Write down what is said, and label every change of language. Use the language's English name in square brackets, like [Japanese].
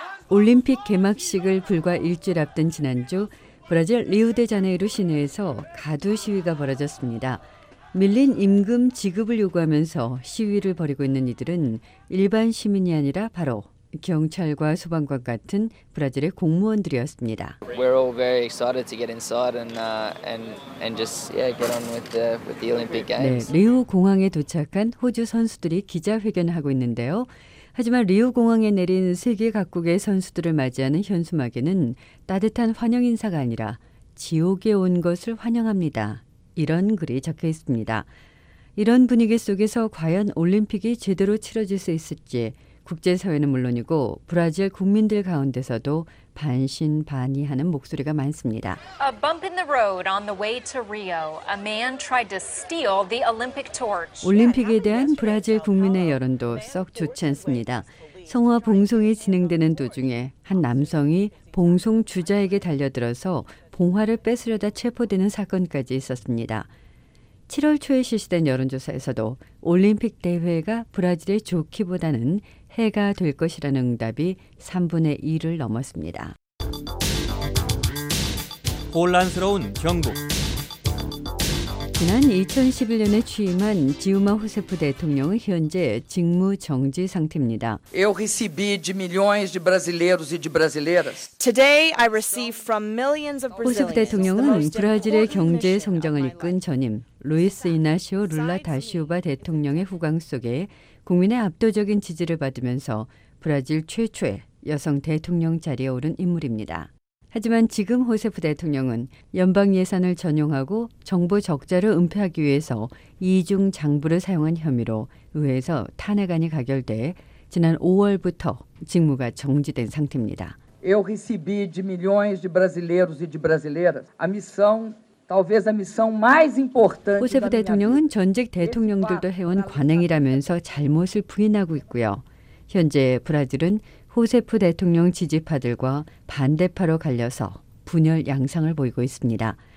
[Korean] 올림픽 개막식을 불과 일주일 앞둔 지난주 브라질 리우데자네이루 시내에서 가두 시위가 벌어졌습니다. 밀린 임금 지급을 요구하면서 시위를 벌이고 있는 이들은 일반 시민이 아니라 바로 경찰과 소방관 같은 브라질의 공무원들이었습니다. [English] We're all very excited to get inside and just get on with the Olympic Games. [Korean] 네, 리우 공항에 도착한 호주 선수들이 기자회견을 하고 있는데요. 하지만 리우 공항에 내린 세계 각국의 선수들을 맞이하는 현수막에는 따뜻한 환영 인사가 아니라 지옥에 온 것을 환영합니다. 이런 글이 적혀 있습니다. 이런 분위기 속에서 과연 올림픽이 제대로 치러질 수 있을지 국제사회는 물론이고 브라질 국민들 가운데서도 반신반의하는 목소리가 많습니다. [English] A bump in the road on the way to Rio. A man tried to steal the Olympic torch. [Korean] 올림픽에 대한 브라질 국민의 여론도 썩 좋지 않습니다. 성화 봉송이 진행되는 도중에 한 남성이 봉송 주자에게 달려들어서 봉화를 뺏으려다 체포되는 사건까지 있었습니다. 7월 초에 실시된 여론조사에서도 올림픽 대회가 브라질에 좋기보다는 해가 될 것이라는 응답이 3분의 2를 넘었습니다. 혼란스러운 경북. 지난 2011년에 취임한 지우마 호세프 대통령은 현재 직무 정지 상태입니다. [Portuguese] Eu recebi de milhões de brasileiros e de brasileiras. [English] Today I received from millions of Brazilians. [Korean] 호세프 대통령은 브라질의 경제 성장을 이끈 전임 루이스 이나시오 룰라 다시우바 대통령의 후광 속에 국민의 압도적인 지지를 받으면서 브라질 최초의 여성 대통령 자리에 오른 인물입니다. 하지만 지금 호세프 대통령은 연방 예산을 전용하고 정부 적자를 은폐하기 위해서 이중 장부를 사용한 혐의로 의회에서 탄핵안이 가결돼 지난 5월부터 직무가 정지된 상태입니다. [Portuguese] Eu recebi de milhões de brasileiros e de brasileiras a missão [Korean] 호세프 대통령은 전직 대통령들도 해온 관행이라면서 잘못을 부인하고 있고요. 현재 브라질은 호세프 대통령 지지파들과 반대파로 갈려서 분열 양상을 보이고 있습니다.